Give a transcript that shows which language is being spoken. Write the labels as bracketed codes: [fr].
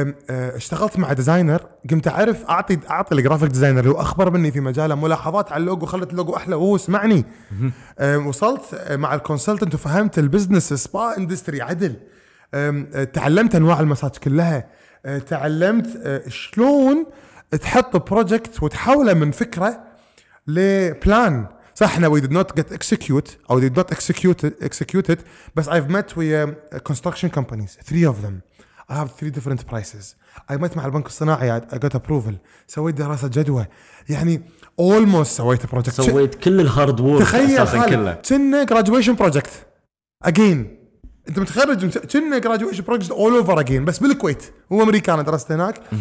[ar] اشتغلت مع ديزاينر، قمت اعرف اعطي الجرافيك ديزاينر اللي هو اخبر مني في مجاله ملاحظات على اللوجو، خلت اللوجو احلى وهو سمعني. وصلت مع الكونسلتنت وفهمت البزنس سبا اندستري عدل، تعلمت انواع المساج كلها، تعلمت شلون تحط بروجكت وتحوله من فكره لبلان. صح، انا [en] we did not get execute or did not executed، [ar] بس [en] I've met with construction companies, three of them. I have three different prices. I met [ar] مع البنك الصناعي، [en] I got approval. [ar] سويت دراسة جدوى، يعني almost سويت project. سويت كل الهارد وورك. تخيل كنا [en] graduation project again. [ar] انت متخرج كنا [en] graduation project all over again، [ar] بس بالكويت. هو امريكا، انا درست هناك.